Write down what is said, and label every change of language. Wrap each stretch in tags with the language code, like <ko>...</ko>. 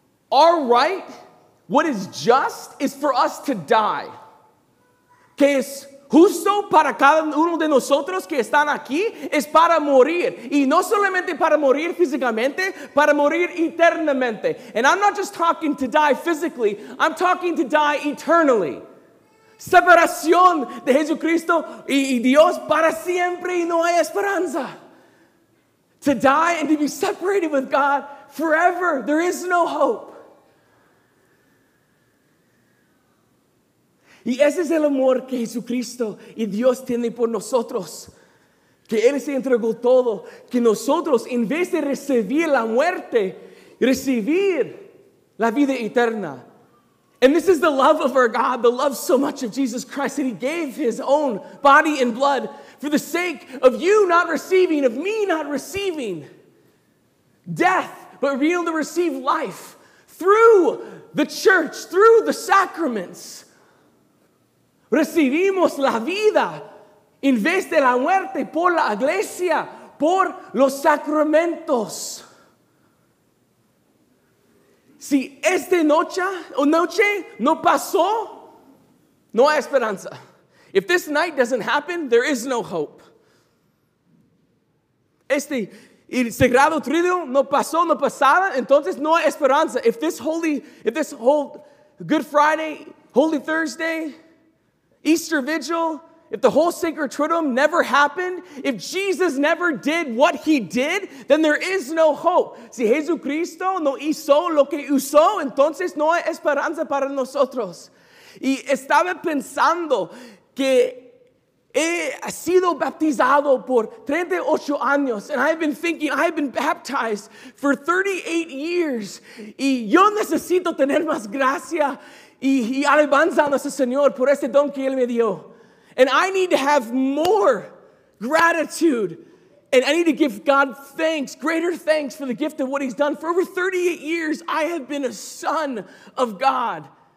<en>Our right, what is just, is for us to die.</en> <es>Que es justo para cada uno de nosotros que están aquí es para morir. Y no solamente para morir físicamente, para morir eternamente.</es> <en>And I'm not just talking to die physically, I'm talking to die eternally.</en> <es>Separación de Jesucristo y Dios para siempre y no hay esperanza.</es> <en>To die and to be separated with God forever, there is no hope.</en> <es>Y ese es el amor que Jesucristo y Dios tiene por nosotros. Que Él se entregó todo. Que nosotros, en vez de recibir la muerte, recibir la vida eterna.</es> <en>And this is the love of our God, the love so much of Jesus Christ, that He gave His own body and blood for the sake of you not receiving, of me not receiving death, but being able to receive life through the church, through the sacraments.</en> <es>Recibimos la vida en vez de la muerte por la iglesia, por los sacramentos. Si esta noche no pasó, no hay esperanza.</es> <en>If this night doesn't happen, there is no hope.</en> <es>Este el sagrado trino no pasó, no pasaba, entonces no hay esperanza.</es> <en>If this whole Good Friday, Holy Thursday, Easter Vigil, if the whole sacred triduum never happened, if Jesus never did what He did, then there is no hope.</en> <es>Si Jesucristo no hizo lo que usó, entonces no hay esperanza para nosotros. Y estaba pensando que he sido bautizado por 38 años,</es> <en>and I've been thinking, I've been baptized for 38 years,</en> <es>y yo necesito tener más gracia. Y alabanza a nuestro Señor por este don que Él me dio.</es> <en>And I need to have more gratitude. And I need to give God thanks, greater thanks for the gift of what He's done. For over 38 years, I have been a son of God.</en>